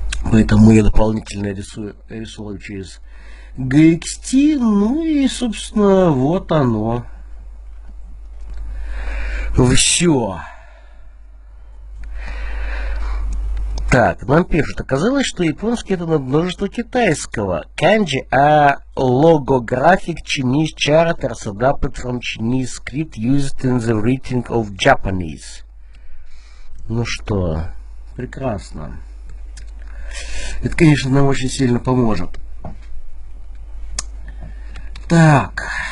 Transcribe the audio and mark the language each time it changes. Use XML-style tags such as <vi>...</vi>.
<ru>Поэтому я дополнительно рисую через GXT. Ну и, собственно, вот оно. Все. Так, нам пишут: оказалось, что японский — это надмножество китайского.</ru> <en>Kanji a logographic Chinese characters adapted from Chinese script used in the writing of Japanese.</en> <ru>Ну что, прекрасно. Это, конечно, нам очень сильно поможет. Так.</ru>